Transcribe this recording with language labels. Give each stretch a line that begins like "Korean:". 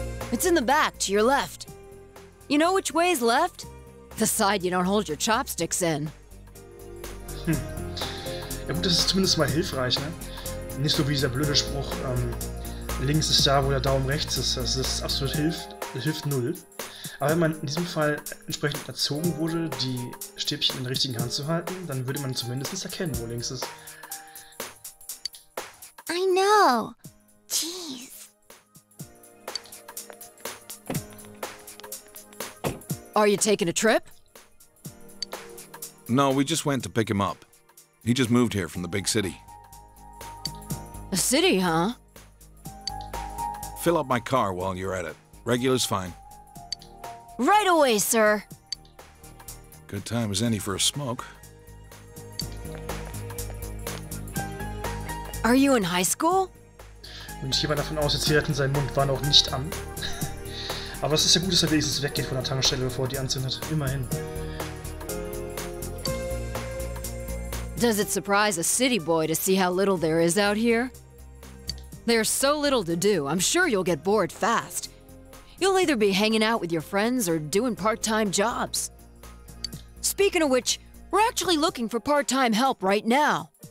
English: It's in the back, to your left. You know which way is left? The side you don't hold your chopsticks in.
German: Ja gut, das ist zumindest mal hilfreich, ne? Nicht so wie dieser blöde Spruch, links ist da, wo der Daumen rechts ist. Das ist absolut hilft null. Aber wenn man in diesem Fall entsprechend erzogen wurde, die Stäbchen in der richtigen Hand zu halten, dann würde man zumindest erkennen, wo links ist.
English: I know. Jeez. Are you taking a trip? No, we just went to pick him up. He just moved here from the big city. A city, huh? Fill up my car while you're at it. Regular's fine. Right away, sir. Good time as any for a smoke. Are you in high school?
German: Und ich gehe mal davon aus, dass sie hätten seinen Mund war noch nicht an. Aber es ist ja gut, dass er wenigstens weggeht von der Tankstelle, bevor die anzündet. Immerhin.
English: Does it surprise a city boy to see how little there is out here? There's so little to do, I'm sure you'll get bored fast. You'll either be hanging out with your friends or doing part-time jobs. Speaking of which, we're actually looking for part-time help right now.